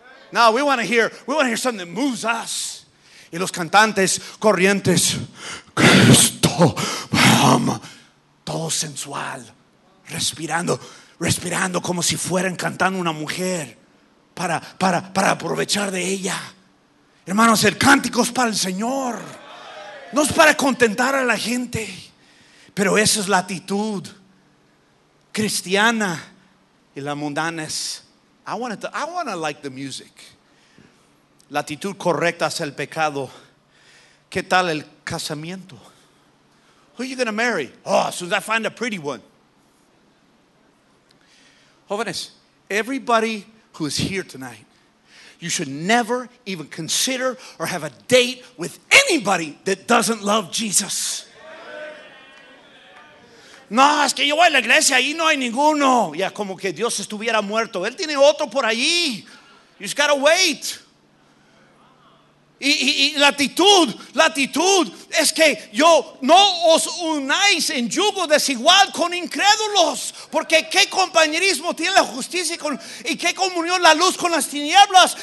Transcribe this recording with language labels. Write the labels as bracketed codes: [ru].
[en] No, we want to hear something that moves us. [es] Y los cantantes corrientes, Cristo ama, todo sensual, respirando como si fueran cantando una mujer para aprovechar de ella. Hermanos, el cántico es para el Señor, no es para contentar a la gente. Pero esa es la actitud cristiana, y la mundana es [en] I want to like the music. [es] La actitud correcta hacia el pecado. ¿Qué tal el casamiento? [en] Who are you going to marry? Oh, as soon as I find a pretty one. Jóvenes, everybody who is here tonight, you should never even consider or have a date with anybody that doesn't love Jesus. [es] No, es que yo voy a la iglesia y no hay ninguno. Ya, como que Dios estuviera muerto. Él tiene otro por allí. [en] You just gotta wait. [es] Y la actitud es que yo no os unáis en yugo desigual con incrédulos, porque qué compañerismo tiene la justicia y qué comunión la luz con las tinieblas.